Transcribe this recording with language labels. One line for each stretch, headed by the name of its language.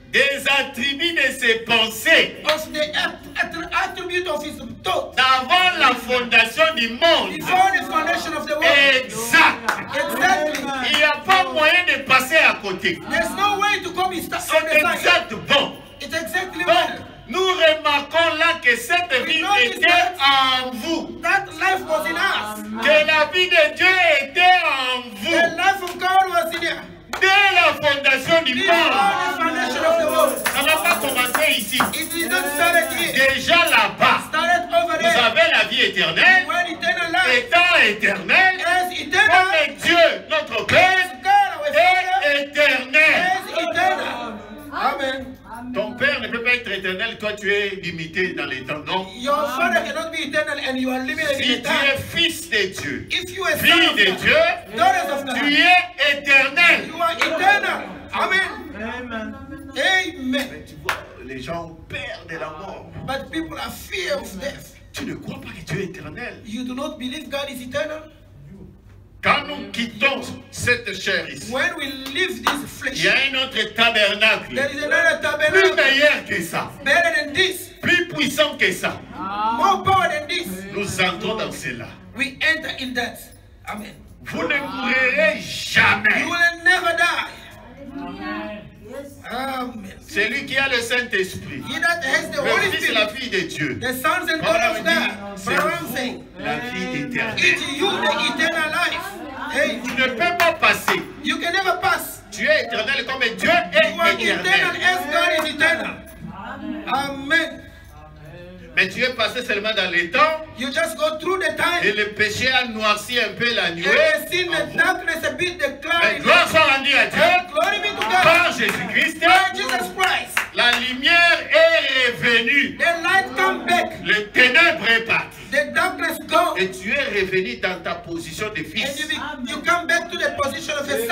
French: des attributs de ses pensées
English: of the attribute of his thought.
French: Avant la fondation du monde.
English: Before the foundation of the world.
French: Exact.
English: Exactly.
French: Il n'y a pas moyen de passer à côté.
English: There's no way to come on the side. It's exactly
French: donc, nous remarquons là que cette vie était en vous.
English: That life was in us.
French: Que la vie de Dieu était en vous.
English: The life of God was in you.
French: Dès la fondation du monde. Ça n'a pas commencé ici.
English: It did not start here.
French: Déjà là-bas.
English: It started over there.
French: Vous avez la vie éternelle.
English: When eternal life.
French: Étant éternel.
English: Yes, eternal.
French: Comme est Dieu, notre Père.
English: Yes, God,
French: est éternel.
English: Yes, eternal. Amen.
French: Ton père ne peut pas être éternel, toi tu es limité dans les temps, non?
English: Your father cannot be eternal and you are limited
French: si
English: in time.
French: Si tu es fils de Dieu,
English: if you are
French: fille de Dieu,
English: daughter of God,
French: tu es éternel.
English: You are eternal. Amen. Amen. Amen.
French: Mais tu vois, les gens ont peur de la mort.
English: But people are fear of death.
French: Tu ne crois pas que tu es éternel?
English: You do not believe God is eternal?
French: Quand nous quittons cette chair ici,
English: when we leave this flesh,
French: il y a un autre tabernacle,
English: there is another tabernacle,
French: plus meilleur que ça,
English: better than this,
French: plus puissant que ça,
English: more power than this.
French: Nous entrons dans cela.
English: We enter in that. Amen.
French: Vous ne mourrez jamais.
English: You will never die. Amen. Amen.
French: C'est lui qui a le Saint-Esprit.
English: He that has the Holy Spirit.
French: Le Fils, la fille de Dieu.
English: The sons and daughters of God.
French: C'est vous, la vie éternelle.
English: It's you, the eternal life.
French: Hey. Tu ne peux pas passer.
English: You can never pass.
French: Tu es éternel comme Dieu est éternel.
English: You are eternal as God is eternal. Amen. Amen.
French: Mais tu es passé seulement dans les temps.
English: You just go through the time.
French: Et le péché a noirci un peu la nuit.
English: And you see the darkness a bit the cloud.
French: Mais gloire soit rendue à Dieu.
English: Glory be to God.
French: Par Jésus Christ.
English: By Jesus Christ.
French: La lumière est revenue.
English: The light come back.
French: Les ténèbres est parti.
English: The darkness go.
French: Et tu es revenu dans ta position de fils.
English: And you come back to the position of a son.